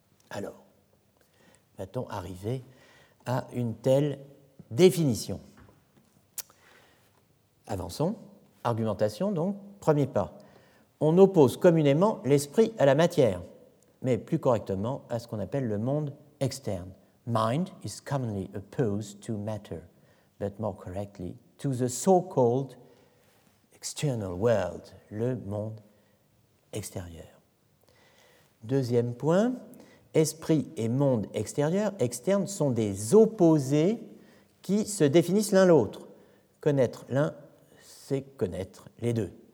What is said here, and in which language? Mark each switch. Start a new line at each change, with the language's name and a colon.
French: Alors, va-t-on arriver à une telle définition ? Avançons. Argumentation, donc, premier pas. On oppose communément l'esprit à la matière, mais plus correctement à ce qu'on appelle le monde externe.
English: Mind is commonly opposed to matter, but more correctly, to the so-called external world,
French: le monde extérieur. Deuxième point, esprit et monde extérieur, externe, sont des opposés qui se définissent l'un l'autre. Connaître l'un, c'est connaître les deux.